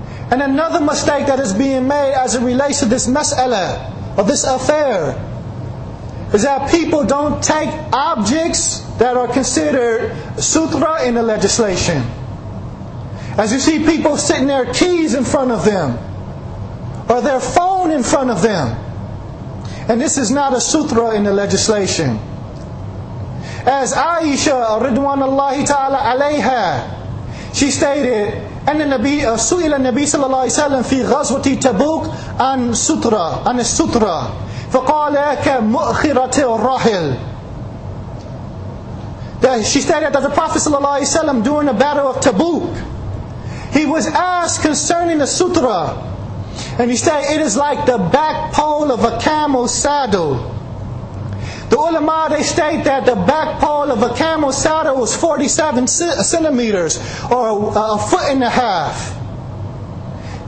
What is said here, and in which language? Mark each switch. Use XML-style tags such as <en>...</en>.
<en>And another mistake that is being made as it relates to this mas'ala, or this affair, is that people don't take objects that are considered sutra in the legislation. As you see people sitting their keys in front of them, or their phone in front of them, and this is not a sutra in the legislation. As Aisha ridwanullahi ta'ala alayha, she stated,</en> <ar>أن النبي سئل النبي صلى الله عليه وسلم في غزوة تبوك عن سترة عن السترة فقال كمؤخرة الراحل.</ar> <en>She stated that the Prophet</en> <ar>صلى الله عليه وسلم</ar> <en>during the battle of Tabuk, he was asked concerning the sutra, and he said it is like the back pole of a camel's saddle. The ulama, they state that the back pole of a camel saddle was 47 centimeters, or a foot and a half.</en>